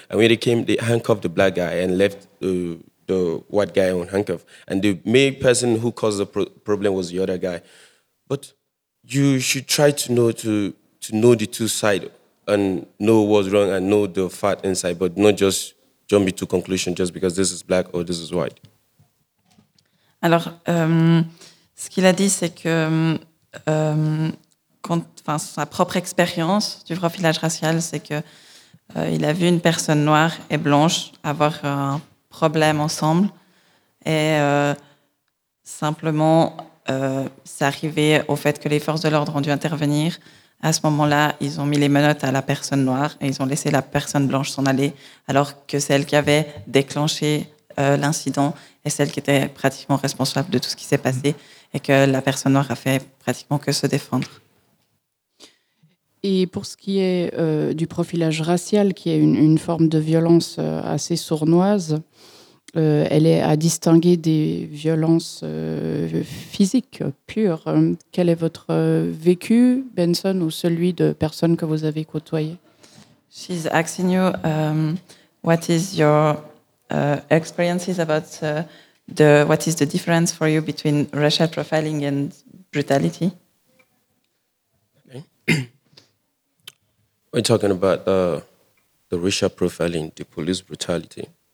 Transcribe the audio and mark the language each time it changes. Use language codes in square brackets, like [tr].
[en] And when they came, they handcuffed the black guy and left the white guy on handcuff. And the main person who caused the problem was the other guy. But you should try to know to know the two sides and know what's wrong and know the fact inside, but not just jump to conclusion just because this is black or this is white. [fr] Alors, ce qu'il a dit, c'est que enfin, sa propre expérience du profilage racial, c'est qu'il a vu une personne noire et blanche avoir un problème ensemble. Et simplement, c'est arrivé au fait que les forces de l'ordre ont dû intervenir. À ce moment-là, ils ont mis les menottes à la personne noire et ils ont laissé la personne blanche s'en aller, alors que celle qui avait déclenché l'incident est celle qui était pratiquement responsable de tout ce qui s'est passé et que la personne noire a fait pratiquement que se défendre. Et pour ce qui est du profilage racial, qui est une forme de violence assez sournoise, elle est à distinguer des violences physiques pures. Quel est votre vécu, Benson, ou celui de personnes que vous avez côtoyées? [en] She's asking you what is your experiences about the what is the difference for you between racial profiling and brutality? We're talking about the racial profiling, the police brutality.